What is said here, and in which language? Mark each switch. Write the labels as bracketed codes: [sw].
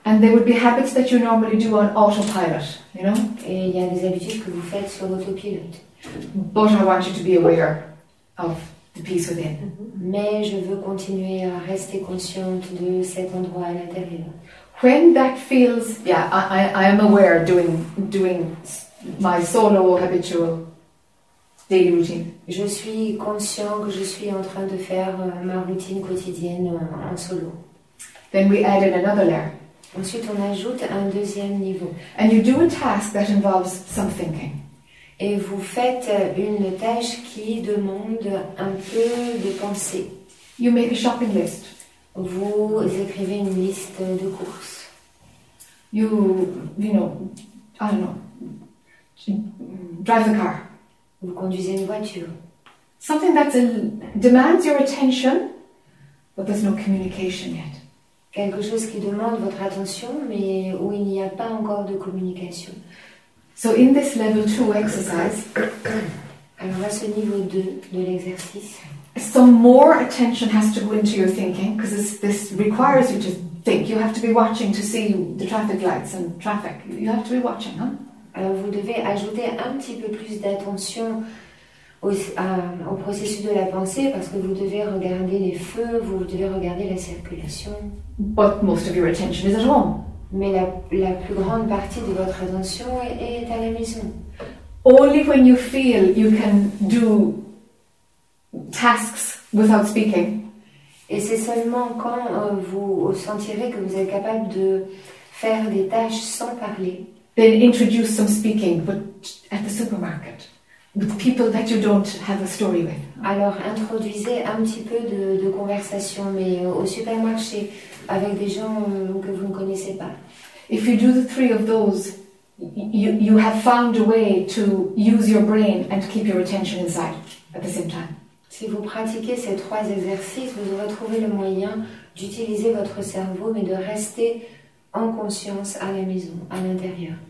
[en] And there would be habits that you normally do on autopilot, you know? [fr] Et il y a des habitudes que vous faites sur l'autopilote. [en] But I want you to be aware of the peace within. Mm-hmm. [fr] Mais je veux continuer à rester consciente de cet endroit à l'intérieur. [en] When that feels, I am aware doing my solo habitual daily routine. [fr] Je suis conscient que je suis en train de faire ma routine quotidienne en solo. [en] Then we add in another layer. [fr] Ensuite, on ajoute un deuxième niveau. [en] And you do a task that involves some thinking. [fr] Et vous faites une tâche qui demande un peu de pensée. [en] You make a shopping list. [fr] vous écrivez une liste de courses. [en] You know, I don't know. Drive the car. [fr] Vous conduisez une voiture. [en] Something that demands your attention, but there's no communication yet. [fr] Quelque chose qui demande votre attention, mais où il n'y a pas encore de communication. [en] So in this level 2 exercise, [fr] alors à ce niveau 2 de l'exercice, [en] some more attention has to go into your thinking, because this requires you to think. You have to be watching to see the traffic lights and traffic. You have to be watching, huh? [fr] Alors vous devez ajouter un petit peu plus d'attention au processus de la pensée, parce que vous devez regarder les feux, vous devez regarder la circulation. [en] But most of your attention is at home. [fr] Mais la plus grande partie de votre attention est à la maison. [en] Only when you feel you can do tasks without speaking. [fr] Et c'est seulement quand vous sentirez que vous êtes capable de faire des tâches sans parler. [en] Then introduce some speaking, but at the supermarket, with people that you don't have a story with. [fr] Alors introduisez un petit peu de conversation, mais au supermarché, avec des gens que vous ne connaissez pas. [en] If you do the three of those, you have found a way to use your brain and keep your attention inside at the same time. [fr] Si vous pratiquez ces trois exercices, vous aurez trouvé le moyen d'utiliser votre cerveau, mais de rester en conscience à la maison, à l'intérieur.